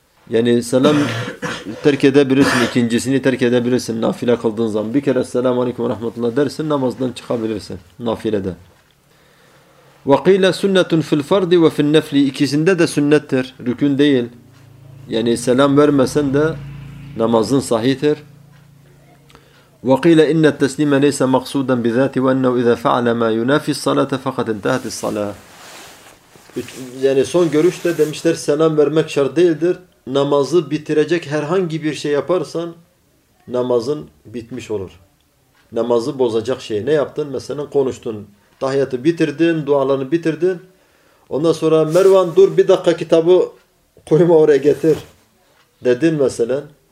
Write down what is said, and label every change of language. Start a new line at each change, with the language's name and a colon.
Turkish: Yani selam terk edebilirsin, ikincisini terk edebilirsin nafile kıldığın zaman. Bir kere selamun aleyküm ve rahmetullah dersin, namazdan çıkabilirsin nafilede.
Arabic: Ve kıyla sünnetun fil fardı ve fil nefli.
Turkish: İkisinde de sünnettir, rükün değil. Yani selam vermesen de namazın sahihtir.
Arabic: وقيل إن التسليم ليس مقصودا بذاته وأنه إذا فعل ما ينافي الصلاة فقد انتهت الصلاة.
Turkish: Yani son görüşte demişler selam vermek şart değildir. Namazı bitirecek herhangi bir şey yaparsan namazın bitmiş olur. Namazı bozacak şey ne yaptın? Mesela konuştun. Tahiyyatı bitirdin, dualarını bitirdin. Ondan sonra Mervan dur bir dakika kitabı koyma oraya getir dedin mesela.